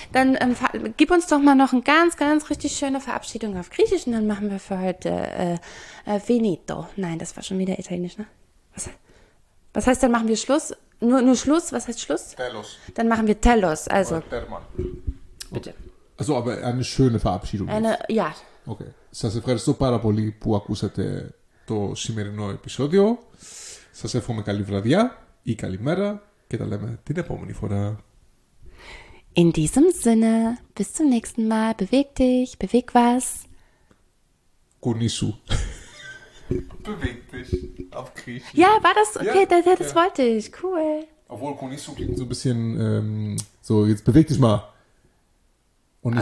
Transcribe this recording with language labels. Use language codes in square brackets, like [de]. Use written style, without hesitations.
[de] Dann gib uns doch mal noch eine ganz, ganz richtig schöne Verabschiedung auf Griechisch und dann machen wir für heute finito. Nein, das war schon wieder Italienisch, ne? Was heißt, dann machen wir Schluss? Nur Schluss? Was heißt Schluss? [el] Telos. [de] Dann machen wir Telos. Also. Bitte. Also, aber eine schöne Verabschiedung. Eine, ja. Okay. [el] Σας ευχαριστώ πάρα πολύ που ακούσατε το σημερινό επεισόδιο. Σας εύχομαι καλή βραδιά ή καλημέρα και τα λέμε την επόμενη φορά. [de] In diesem Sinne, bis zum nächsten Mal. Beweg dich, beweg was. [el] Κουνήσου. [de] Beweg dich auf Griechisch. Ja, war das okay, ja, das ja. Wollte ich. Cool. Obwohl Kunisu klingt so ein bisschen so, jetzt beweg dich mal. Und okay.